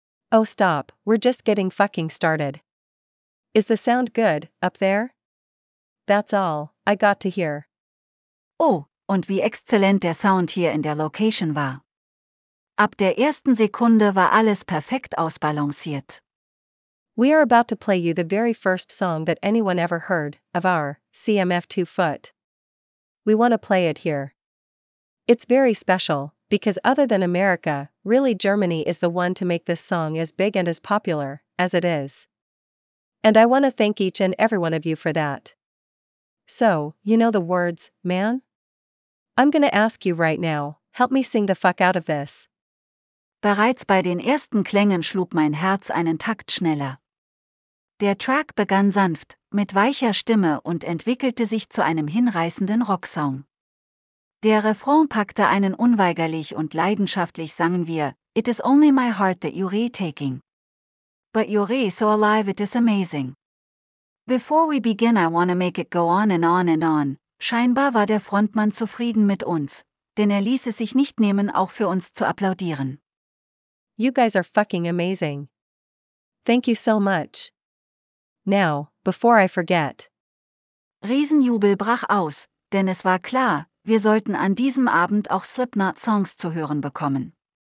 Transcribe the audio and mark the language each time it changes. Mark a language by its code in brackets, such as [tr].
[en] Oh stop, we're just getting fucking started. Is the sound good, up there? That's all, I got to hear. [de] Oh, und wie exzellent der Sound hier in der Location war. Ab der ersten Sekunde war alles perfekt ausbalanciert. [en] We are about to play you the very first song that anyone ever heard, of our, CMF2 Foot. We want to play it here. It's very special, because other than America, really Germany is the one to make this song as big and as popular, as it is. And I want to thank each and every one of you for that. So, you know the words, man? I'm gonna ask you right now, help me sing the fuck out of this. [de] Bereits bei den ersten Klängen schlug mein Herz einen Takt schneller. Der Track begann sanft, mit weicher Stimme und entwickelte sich zu einem hinreißenden Rocksong. Der Refrain packte einen unweigerlich und leidenschaftlich sangen wir, [en] It is only my heart that you're taking. But you're so alive it is amazing. Before we begin I wanna make it go on and on and on. [de] Scheinbar war der Frontmann zufrieden mit uns, denn er ließ es sich nicht nehmen, auch für uns zu applaudieren. [en] You guys are fucking amazing. Thank you so much. Now, before I forget. [de] Riesenjubel brach aus, denn es war klar, wir sollten an diesem Abend auch Slipknot-Songs zu hören bekommen.